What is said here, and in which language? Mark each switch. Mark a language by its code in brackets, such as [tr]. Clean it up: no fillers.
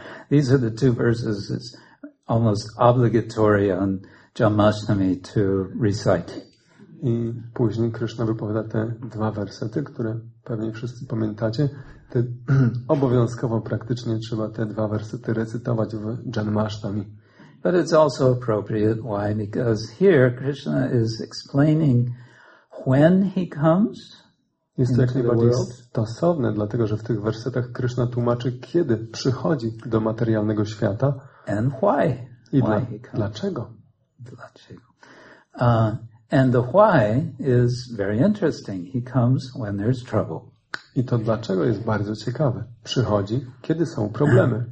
[en] These are the two verses it's almost obligatory on Janmashtami to recite. [pl] I później Krishna wypowiada te dwa wersety, które pewnie wszyscy pamiętacie. Obowiązkowo praktycznie trzeba te dwa wersety recytować w Janmashtami. [en] But it's also appropriate. Why? Because here Krishna is explaining when he comes into the world. [pl] Jest to jak najbardziej stosowne, dlatego że w tych wersetach Krishna tłumaczy, kiedy przychodzi do materialnego świata. [en] And why? [pl] Dlaczego? Dlaczego? [en] And the why is very interesting. He comes when there's trouble. [pl] I to dlaczego jest bardzo ciekawe. Przychodzi, kiedy są problemy.